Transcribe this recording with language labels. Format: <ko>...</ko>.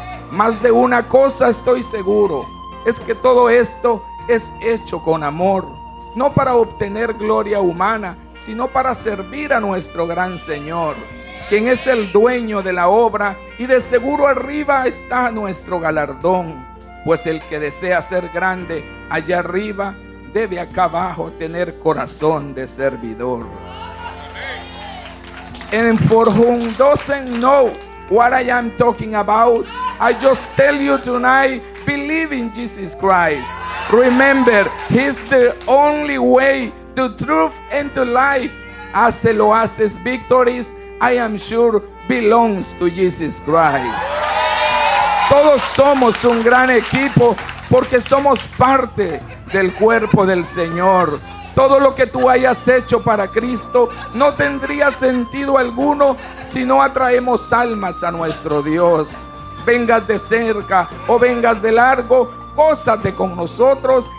<es>Más de una cosa estoy seguro, es que todo esto es hecho con amor, no para obtener gloria humana, sino para servir a nuestro gran Señor, quien es el dueño de la obra, y de seguro arriba está nuestro galardón, pues el que desea ser grande allá arriba, debe acá abajo tener corazón de servidor.</es> <en>And for whom doesn't know what I am talking about, I just tell you tonight, believe in Jesus Christ. Remember, He's the only way, the truth and the life. As el oasis victories, I am sure belongs to Jesus Christ.</en> <es>Todos somos un gran equipo porque somos parte del cuerpo del Señor. Todo lo que tú hayas hecho para Cristo no tendría sentido alguno si no atraemos almas a nuestro Dios. Vengas de cerca o vengas de largo, gózate con nosotros.</es>